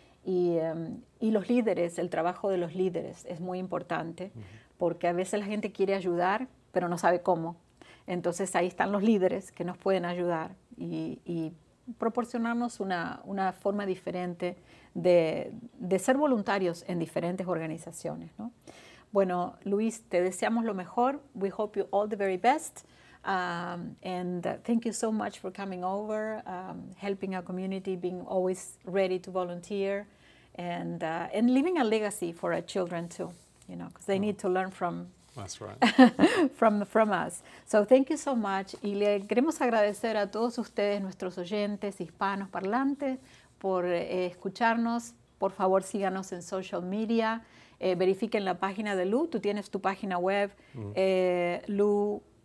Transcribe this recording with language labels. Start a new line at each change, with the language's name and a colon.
Spanish: Y los líderes, el trabajo de los líderes es muy importante porque a veces la gente quiere ayudar, pero no sabe cómo. Entonces, ahí están los líderes que nos pueden ayudar y proporcionarnos una forma diferente de ser voluntarios en diferentes organizaciones, ¿no? Bueno, Luis, te deseamos lo mejor.
English: We hope you all the very best. Thank you so much for coming over, helping our community, being always ready to volunteer, and leaving a legacy for our children, too, you know, because they need to learn from... That's right. from us. So thank you so much.
Spanish: Y le queremos agradecer a todos ustedes, nuestros oyentes, hispanos parlantes, por escucharnos. Por favor, síganos en social media. Verifiquen la página de Lu. Tú tienes tu página web. Mm-hmm. Lu.